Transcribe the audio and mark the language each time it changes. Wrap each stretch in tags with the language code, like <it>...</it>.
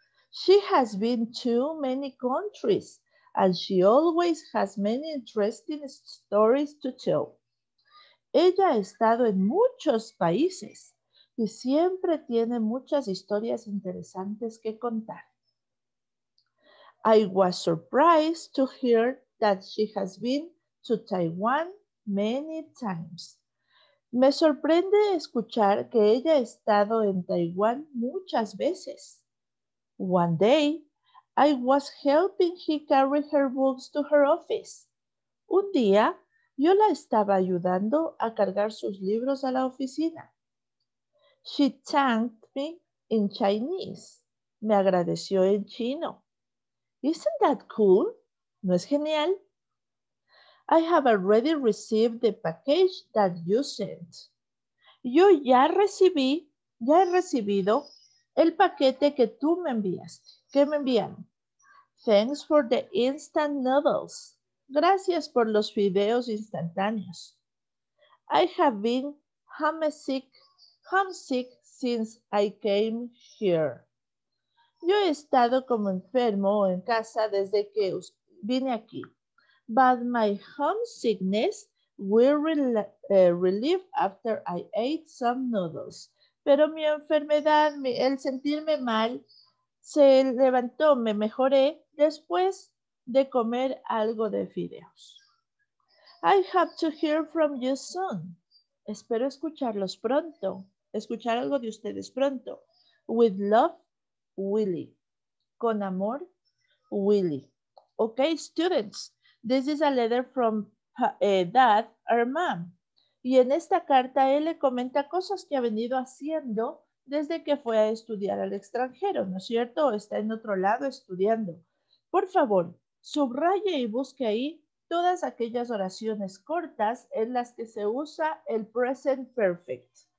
<en>She has been to many countries and she always has many interesting stories to tell.</en> <es>Ella ha estado en muchos países y siempre tiene muchas historias interesantes que contar.</es> <en>I was surprised to hear that she has been to Taiwan many times.</en> <es>Me sorprende escuchar que ella ha estado en Taiwán muchas veces.</es> <en>One day, I was helping him carry her books to her office.</en> <es>Un día, yo la estaba ayudando a cargar sus libros a la oficina.</es> <en>She thanked me in Chinese.</en> <es>Me agradeció en chino.</es> <en>Isn't that cool?</en> <es>¿No es genial?</es> <en>I have already received the package that you sent.</en> <es>Yo ya he recibido el paquete que tú me enviaste, que me enviaron.</es> <en>Thanks for the instant noodles.</en> <es>Gracias por los fideos instantáneos.</es> <en>I have been homesick since I came here.</en> <es>Yo he estado como enfermo en casa desde que vine aquí.</es> <en>But my homesickness will relieve after I ate some noodles.</en> <es>Pero mi enfermedad, el sentirme mal, se levantó, me mejoré después de comer algo de fideos.</es> <en>I have to hear from you soon.</en> <es>Espero escucharlos pronto, escuchar algo de ustedes pronto.</es> <en>With love, Willy.</en> <es>Con amor, Willy.</es> <en>Okay, students. This is a letter from Dad, our mom.</en> <es>Y en esta carta él le comenta cosas que ha venido haciendo desde que fue a estudiar al extranjero, ¿no es cierto? Está en otro lado estudiando. Por favor, subraye y busque ahí todas aquellas oraciones cortas en las que se usa el present perfect.</es>